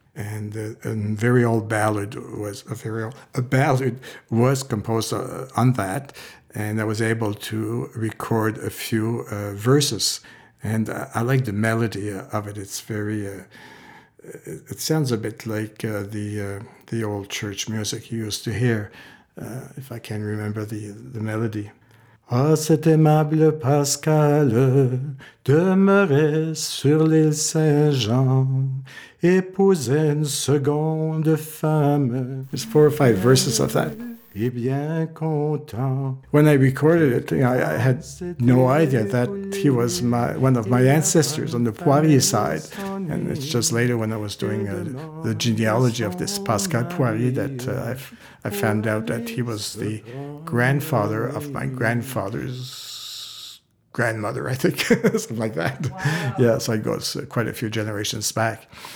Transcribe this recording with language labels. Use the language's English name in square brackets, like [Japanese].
[English] And a ballad was composed on that, and I was able to record a few verses. And I like the melody of it. It's very, it sounds a bit like the old church music you used to hear, if I can remember the melody. [French] Oh, cet aimable Pascal demeurait sur l'île Saint-Jean, épousait une seconde femme. [English] There's four or five verses of that. When I recorded it, you know, I had no idea that he was one of my ancestors on the Poirier side. And it's just later when I was doing the genealogy of this Pascal Poirier that I found out that he was the grandfather of my grandfather's grandmother, I think, something like that. Wow. Yeah, so it goes quite a few generations back.